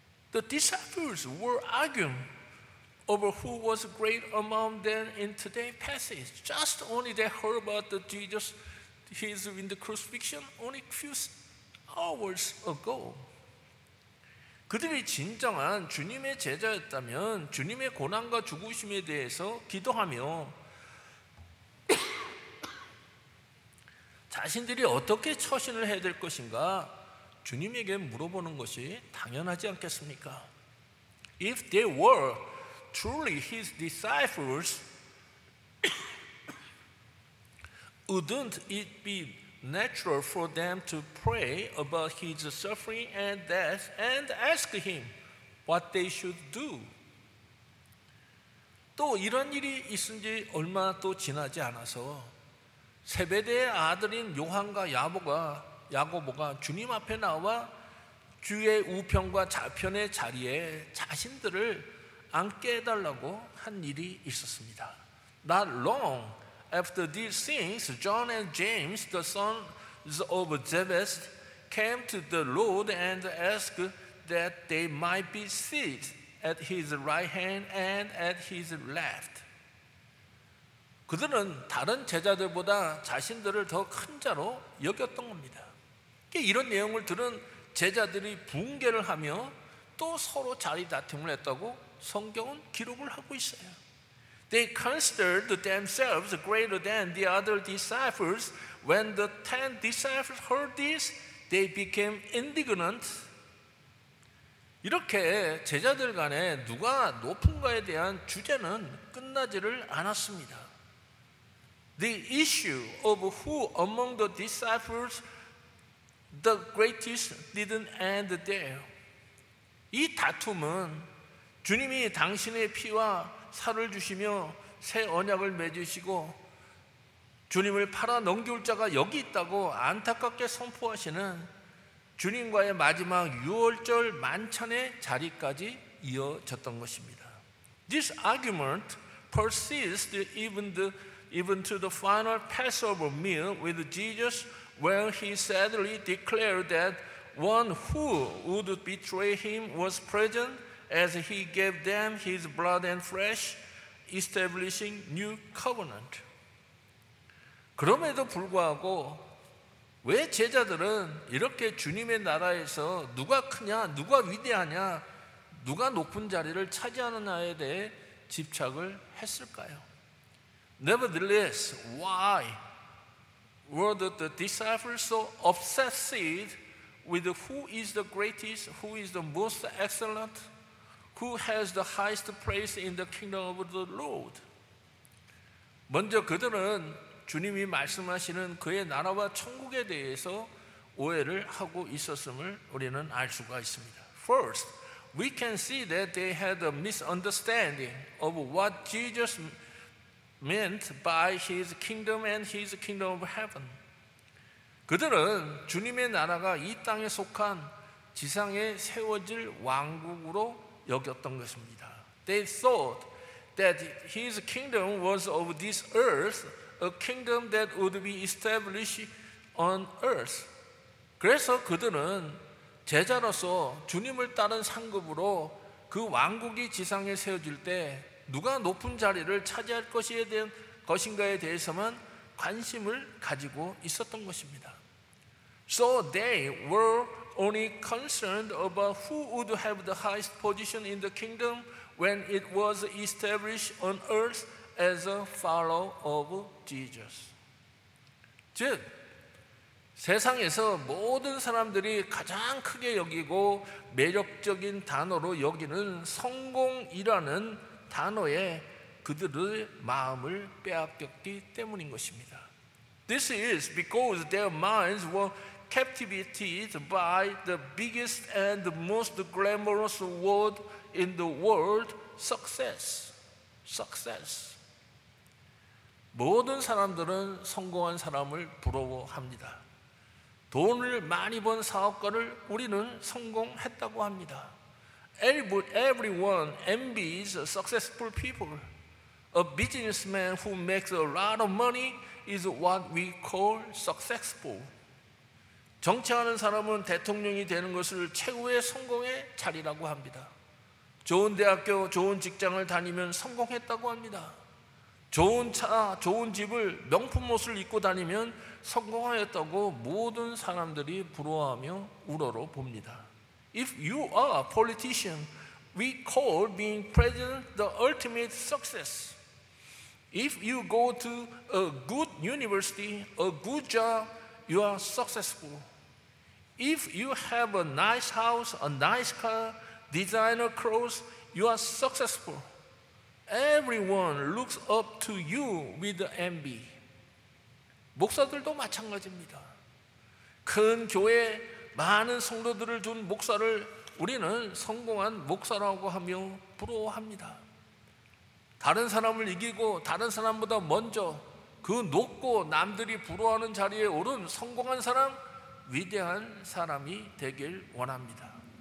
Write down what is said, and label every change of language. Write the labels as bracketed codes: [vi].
[en] The disciples were arguing over who was great among them in today's passage. Just only they heard about the Jesus, he's in the crucifixion only a few hours ago. [ko] 그들이 진정한 주님의 제자였다면 주님의 고난과 죽으심에 대해서 기도하며 자신들이 어떻게 처신을 해야 될 것인가 주님에게 물어보는 것이 당연하지 않겠습니까? [en] If they were truly his disciples, wouldn't it be natural for them to pray about his suffering and death and ask him what they should do? [ko] 또 이런 일이 있은 지 얼마 또 지나지 않아서 세베대의 아들인 요한과 야고보가 주님 앞에 나와 주의 우편과 좌편의 자리에 자신들을 앉게 해달라고 한 일이 있었습니다. [en] Not long after these things, John and James, the sons of Zebedee, came to the Lord and asked that they might be seated at his right hand and at his left. [ko] 그들은 다른 제자들보다 자신들을 더 큰 자로 여겼던 겁니다. 이런 내용을 들은 제자들이 붕괴를 하며 또 서로 자리 다툼을 했다고 성경은 기록을 하고 있어요. [en] They considered themselves greater than the other disciples. When the ten disciples heard this, they became indignant. [ko] 이렇게 제자들 간에 누가 높은가에 대한 주제는 끝나지를 않았습니다. [en] The issue of who among the disciples the greatest didn't end there. [ko] 이 다툼은 주님이 당신의 피와 살을 주시며 새 언약을 맺으시고 주님을 팔아 넘길 자가 여기 있다고 안타깝게 선포하시는 주님과의 마지막 유월절 만찬의 자리까지 이어졌던 것입니다. [en] This argument persists even to the final Passover meal with Jesus, where he sadly declared that one who would betray him was present as he gave them his blood and flesh, establishing new covenant. [ko] 그럼에도 불구하고 왜 제자들은 이렇게 주님의 나라에서 누가 크냐, 누가 위대하냐, 누가 높은 자리를 차지하느냐에 대해 집착을 했을까요? [en] Nevertheless, why were the disciples so obsessed with who is the greatest, who is the most excellent, who has the highest place in the kingdom of the Lord? [ko] 먼저 그들은 주님이 말씀하시는 그의 나라와 천국에 대해서 오해를 하고 있었음을 우리는 알 수가 있습니다. [en] First, we can see that they had a misunderstanding of what Jesus meant by his kingdom and his kingdom of heaven. [ko] 그들은 주님의 나라가 이 땅에 속한 지상에 세워질 왕국으로 여겼던 것입니다. [en] They thought that his kingdom was of this earth, a kingdom that would be established on earth. [ko] 그래서 그들은 제자로서 주님을 따른 상급으로 그 왕국이 지상에 세워질 때 누가 높은 자리를 차지할 것에 대한 것인가에 대해서만 관심을 가지고 있었던 것입니다. [en] So they were only concerned about who would have the highest position in the kingdom when it was established on earth as a follower of Jesus. [ko] 즉, 세상에서 모든 사람들이 가장 크게 여기고 매력적인 단어로 여기는 성공이라는 단어에 그들의 마음을 빼앗겼기 때문인 것입니다. [en] This is because their minds were captivated by the biggest and the most glamorous word in the world, success. Success. [ko] 모든 사람들은 성공한 사람을 부러워합니다. 돈을 많이 번 사업가를 우리는 성공했다고 합니다. [en] Everyone envies successful people. A businessman who makes a lot of money is what we call successful. [ko] 정치하는 사람은 대통령이 되는 것을 최고의 성공의 자리라고 합니다. 좋은 대학교, 좋은 직장을 다니면 성공했다고 합니다. 좋은 차, 좋은 집을, 명품 옷을 입고 다니면 성공하였다고 모든 사람들이 부러워하며 우러러 봅니다. [en] If you are a politician, we call being president the ultimate success. If you go to a good university, a good job, you are successful. If you have a nice house, a nice car, designer clothes, you are successful. Everyone looks up to you with envy. [ko] 목사들도 마찬가지입니다. 큰 교회에 많은 성도들을 둔 목사를 우리는 성공한 목사라고 하며 부러워합니다. 다른 사람을 이기고 다른 사람보다 먼저 그 높고 남들이 부러워하는 자리에 오른 성공한 사람, 위대한 사람이 되길 원합니다.